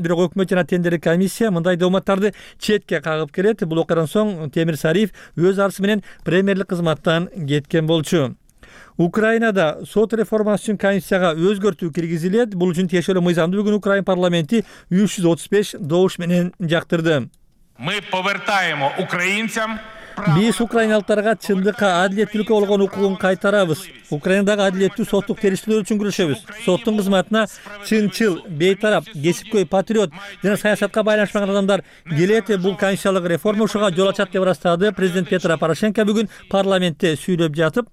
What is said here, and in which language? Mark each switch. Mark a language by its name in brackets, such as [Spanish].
[Kyrgyz] Бирок өкмөт жана тендерлик комиссия мындай дооматтарды четке кагып келет. Бул окуядан соң Темир Сариев өз арызы менен премьерлик кызматтан кеткен болчу. Украинада сот реформасы үчүн конституцияга өзгөртүү киргизилет. Бул үчүн тиешелүү мыйзамды бүгүн Украин парламенти 335 добуш менен жактырды. [Ukrainian] Мы повертаем украинцам. [Kyrgyz] Биз украиналыктарга чындыкка, адилеттүүлүккө болгон укугун кайтарабыз. Украинадагы адилеттүү соттук териштирүү үчүн күрөшөбүз. Соттун кызматына чынчыл, бейтарап, кесипкөй, патриот жана саясатка байланышпаган адамдар келет. Бул конституциялык реформа ушуга жол ачат деп ырастады президент Петро Порошенко бүгүн парламентте сүйлөп жатып.